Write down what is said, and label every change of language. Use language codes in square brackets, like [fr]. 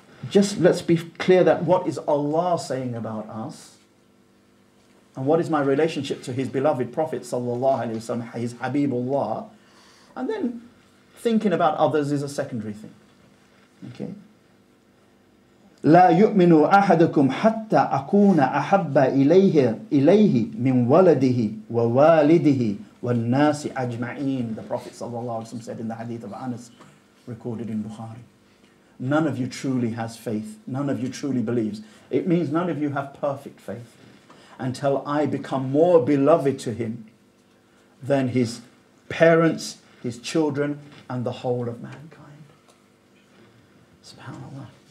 [en] Just let's be clear that what is Allah saying about us, and what is my relationship to His beloved Prophet sallallahu alaihi wasallam, His Habibullah, and then thinking about others is a secondary thing. Okay. [ar] لا يؤمن أحدكم حتى أكون أحب إليه من ولده ووالده والناس أجمعين. [en] The Prophet sallallahu alaihi wasallam said in the Hadith of Anas, recorded in Bukhari. None of you truly has faith. None of you truly believes. It means none of you have perfect faith until I become more beloved to him than his parents, his children, and the whole of mankind. SubhanAllah.